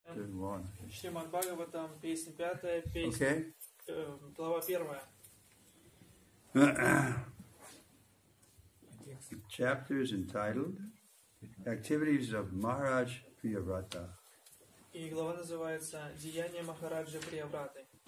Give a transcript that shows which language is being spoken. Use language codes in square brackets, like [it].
[ru] Шримад-Бхагаватам, песня пятая, песня, глава первая. [en] The chapter is entitled Activities of Maharaj Priyavrata. [ru] И глава называется Деяния Махараджа Приявраты.